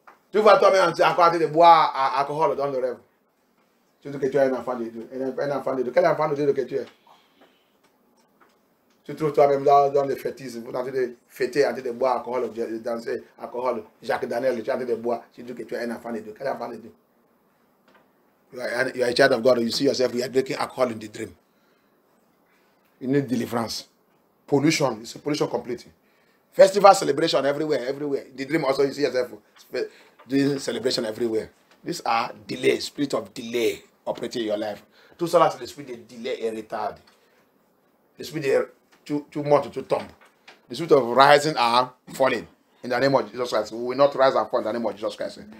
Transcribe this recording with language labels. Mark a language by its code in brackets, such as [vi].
[fr] Tu vas toi-même en train de boire alcool dans le rêve. Tu dis que tu es un enfant de Dieu. Un enfant de Dieu. Quel enfant de Dieu que tu es? Tu trouves toi-même dans le fétisme. Tu es en train de fêter, en train de boire alcool, de danser alcool. Jacques Daniel, tu es en train de boire. Tu dis que tu es un enfant de Dieu. Quel enfant de Dieu? [en] You are a child of God. You see yourself, you are drinking alcohol in the dream. You need deliverance. Pollution. It's a pollution completely. Festival celebration everywhere. In the dream also, you see yourself doing celebration everywhere. These are delay, spirit of delay operating in your life. [fr] Tout cela, c'est l'esprit de delay et retard. L'esprit de tu montes, tu tombes. [en] The spirit of rising and falling in the name of Jesus Christ. We will not rise and fall in the name of Jesus Christ.